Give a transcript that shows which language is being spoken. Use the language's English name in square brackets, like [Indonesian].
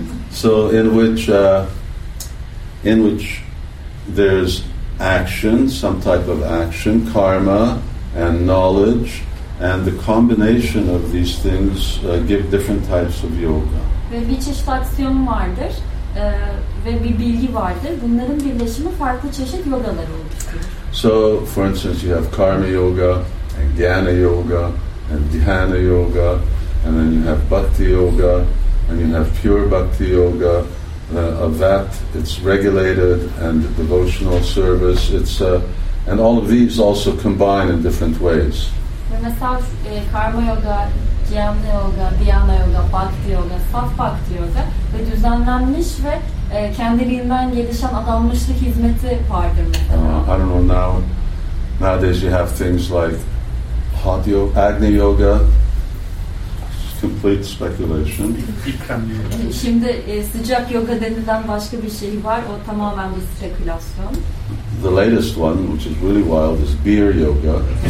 [English] So in which there's action, some type of action, karma, and knowledge, and the combination of these things give different types of yoga. [Turkish] Ve bir çeşit aksiyon vardır ve bir bilgi vardır. Bunların birleşimi farklı çeşit yogalar oluşturur. [English] So, for instance, you have karma yoga, and dhyana yoga, and dhyana yoga, and then you have bhakti yoga, and you have pure bhakti yoga. Of that, it's regulated, and the devotional service, it's a and all of these also combine in different ways. [Turkish] Mesela karma yoga, dhyana yoga, dhyana yoga, bhakti yoga, saf bhakti yoga ve düzenlenmiş ve kendiliğinden gelişen adanmışlık hizmeti vardır mesela. [English] I don't know, nowadays you have things like hot yoga, agni yoga, complete speculation. [Turkish] Şimdi sıcak yoga denilen başka bir şey var, o tamamen bir spekülasyon. [English] The latest one, which is really wild, is beer yoga.